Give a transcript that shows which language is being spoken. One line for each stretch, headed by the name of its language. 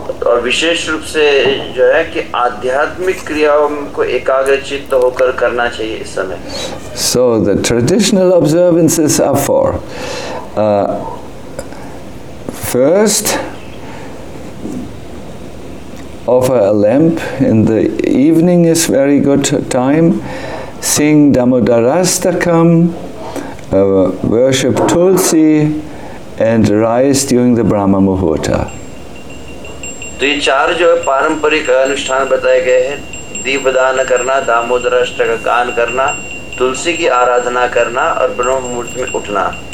Hindi: और विशेष रूप से जो है कि आध्यात्मिक क्रियाओं को एकाग्रचित होकर करना चाहिए इस समय।
English: So the traditional observances are four. First, offer a lamp in the evening is very good time. Sing Damodarastakam, worship Tulsi, and rise during the Brahma Muhurta.
Hindi: तो ये चार जो है पारंपरिक अनुष्ठान बताए गए हैं, दीपदान करना, दामोदराष्टक का गान करना, तुलसी की आराधना करना और ब्रह्म मुहूर्त में उठना।